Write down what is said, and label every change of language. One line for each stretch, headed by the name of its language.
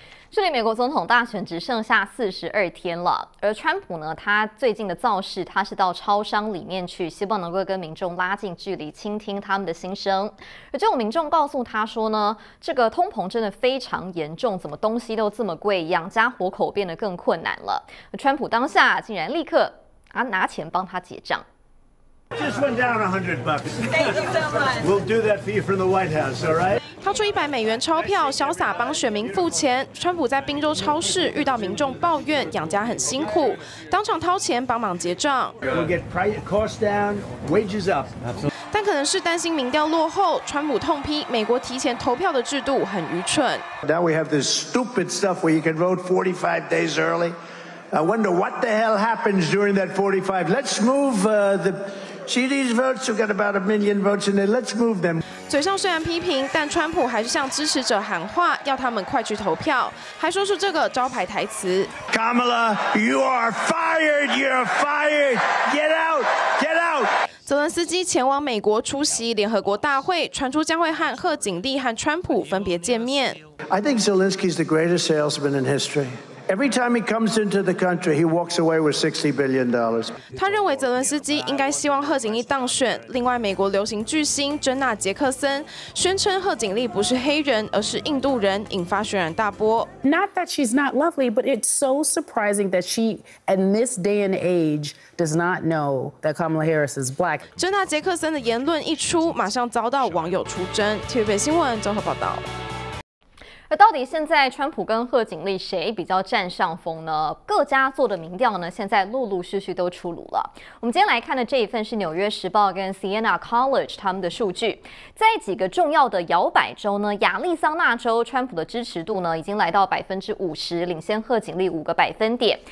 Chinese: 距离美国总统大选只剩下42天了，而川普呢，他最近的造势，他是到超商里面去，希望能够跟民众拉近距离，倾听他们的心声。而这种民众告诉他说呢，这个通膨真的非常严重，怎么东西都这么贵，养家活口变得更困难了。而川普当下竟然立刻啊拿钱帮他结账。
English: Just went down $100. Thank you so much. We'll do that for you from the White House, all right?
Chinese: 掏出100美元钞票，潇洒帮选民付钱。川普在宾州超市遇到民众抱怨养家很辛苦，当场掏钱帮忙结账。
English: We'll get price costs down, wages up.
Chinese: 但可能是担心民调落后，川普痛批美国提前投票的制度很愚蠢。
English: Now we have this stupid stuff where you can vote 45 days early. I wonder what the hell happens during that 45. Let's move the. CD's votes, you got about $1 million in there. Let's move them.
Chinese: 嘴上虽然批评，但川普还是向支持者喊话，要他们快去投票，还说出这个招牌台词
English: ：Kamala, you are fired. You're fired. Get out. Get out.
Chinese: 泽伦斯基前往美国出席联合国大会，传出将会和贺锦丽和川普分别见面。
English: I think Zelensky is the greatest salesman in history. Every time he comes into the country, he walks away with $60 billion.
Chinese: 他认为泽伦斯基应该希望贺锦丽当选。另外，美国流行巨星珍娜·杰克森宣称贺锦丽不是黑人，而是印度人，引发轩然大波。
English: Not that she's not lovely, but it's so surprising that she, in this day and age, does not know that Kamala Harris is black.
Chinese: 珍娜·杰克森的言论一出，马上遭到网友出征。TVB 新闻综合报道。那到底现在川普跟贺锦丽谁比较占上风呢？各家做的民调呢，现在陆陆续续都出炉了。我们今天来看的这一份是《纽约时报》跟 Siena College 他们的数据，在几个重要的摇摆州呢，亚利桑那州川普的支持度呢已经来到50%，领先贺锦丽5个百分点。